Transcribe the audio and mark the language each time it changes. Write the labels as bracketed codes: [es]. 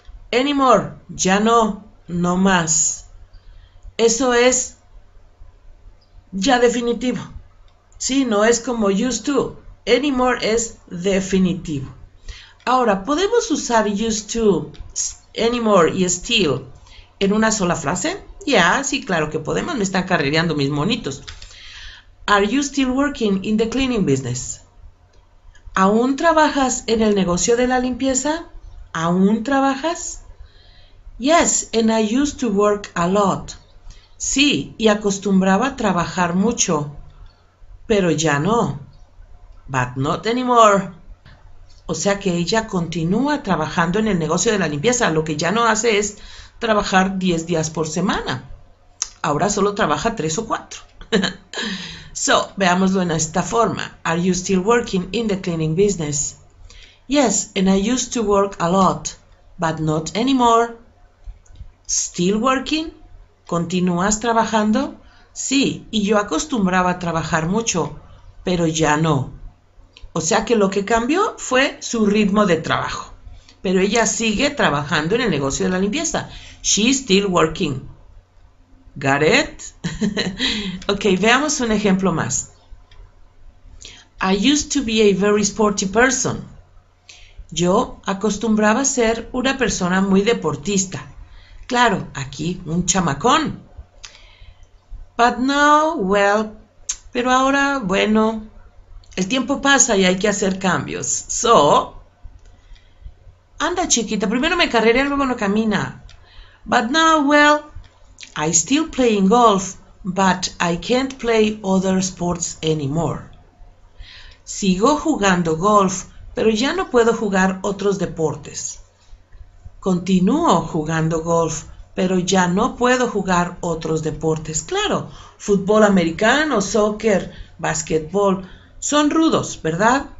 [es] Anymore, ya no, no más. Eso es ya definitivo. Sí, no es como used to. Anymore es definitivo. Ahora, ¿podemos usar used to, anymore y still en una sola frase? Ya, sí, claro que podemos. Me están carrereando mis monitos. [en] Are you still working in the cleaning business? [es] ¿Aún trabajas en el negocio de la limpieza? ¿Aún trabajas? [en] Yes, and I used to work a lot. [es] Sí, y acostumbraba a trabajar mucho, pero ya no. [en] But not anymore. [es] O sea que ella continúa trabajando en el negocio de la limpieza. Lo que ya no hace es trabajar 10 días por semana. Ahora solo trabaja 3 o 4. So, veámoslo en esta forma. [en] Are you still working in the cleaning business? Yes, and I used to work a lot, but not anymore. Still working? [es] ¿Continúas trabajando? Sí, y yo acostumbraba a trabajar mucho, pero ya no. O sea que lo que cambió fue su ritmo de trabajo. Pero ella sigue trabajando en el negocio de la limpieza. [en] She's still working. Got it? Ok, [es] veamos un ejemplo más. [en] I used to be a very sporty person. [es] Yo acostumbraba a ser una persona muy deportista. Claro, aquí un chamacón. [en] But now, well, [es] pero ahora, bueno, el tiempo pasa y hay que hacer cambios. So, anda chiquita, primero me carrerea, luego no camina. [en] But now, well, I still play in golf, but I can't play other sports anymore. [es] Sigo jugando golf, pero ya no puedo jugar otros deportes. Continúo jugando golf, pero ya no puedo jugar otros deportes. Claro, fútbol americano, soccer, básquetbol, son rudos, ¿verdad?